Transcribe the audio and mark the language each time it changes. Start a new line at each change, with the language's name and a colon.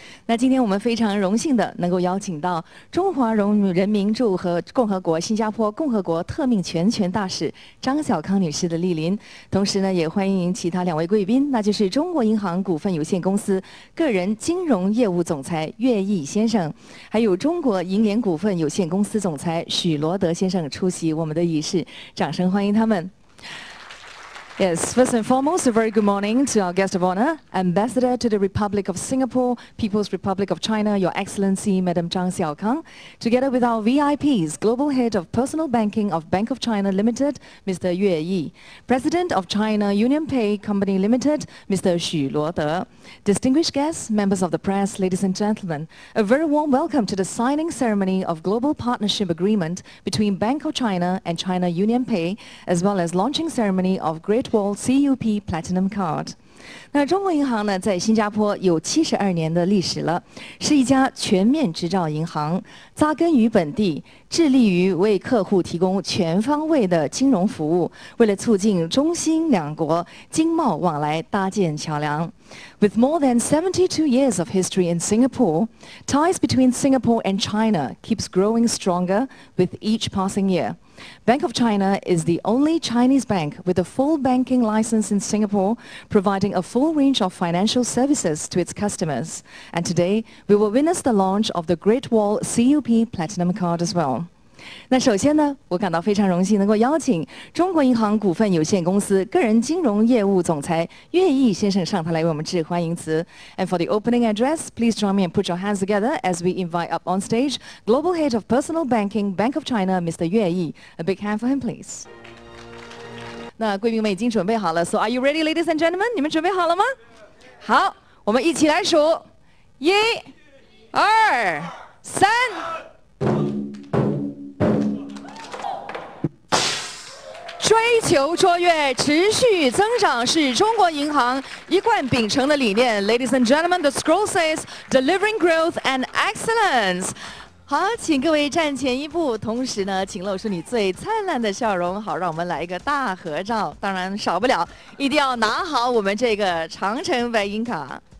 Chinese: 那今天我们非常荣幸的能够邀请到中华人民驻和共和国新加坡共和国特命全权大使张小康女士的莅临，同时呢也欢迎其他两位贵宾，那就是中国银行股份有限公司个人金融业务总裁岳毅先生，还有中国银联股份有限公司总裁许罗德先生出席我们的仪式，掌声欢迎他们。
English: Yes, first and foremost, a very good morning to our guest of honor, Ambassador to the Republic of Singapore, People's Republic of China, Your Excellency, Madam Zhang Xiaokang, together with our VIPs, Global Head of Personal Banking of Bank of China Limited, Mr. Yue Yi, President of China UnionPay Company Limited, Mr. Xu Luode, distinguished guests, members of the press, ladies and gentlemen, a very warm welcome to the signing ceremony of Global Partnership Agreement between Bank of China and China UnionPay, as well as launching ceremony of Great Wall CUP Platinum Card。
Chinese: 那中国银行呢在新加坡有72年的历史了，是一家全面执照银行，扎根于本地，致力于为客户提供全方位的金融服务，为了促进中新两国经贸往来搭建桥梁。
English: With more than 72 years of history in Singapore, ties between Singapore and China keeps growing stronger with each passing year. Bank of China is the only Chinese bank with a full banking license in Singapore, providing a full range of financial services to its customers. And today, we will witness the launch of the Great Wall CUP Platinum Card as well.
Chinese: 那首先呢，我感到非常荣幸能够邀请中国银行股份有限公司个人金融业务总裁岳毅先生上台来为我们致欢迎词。
English: And for the opening address, please join me and put your hands together as we invite up on stage Global Head of Personal Banking, Bank of China, Mr. 岳毅。A big hand for him, please.
Chinese: 那贵宾们已经准备好了
English: ，So are you ready, ladies and gentlemen?
Chinese: 你们准备好了吗？好，我们一起来数，一、二、三。追求卓越，持续增长是中国银行一贯秉承的理念。
English: Ladies and gentlemen, the scroll says, delivering growth and excellence.
Chinese: 好，请各位站前一步，同时呢，请露出你最灿烂的笑容。好，让我们来一个大合照。当然少不了，一定要拿好我们这个长城白银卡。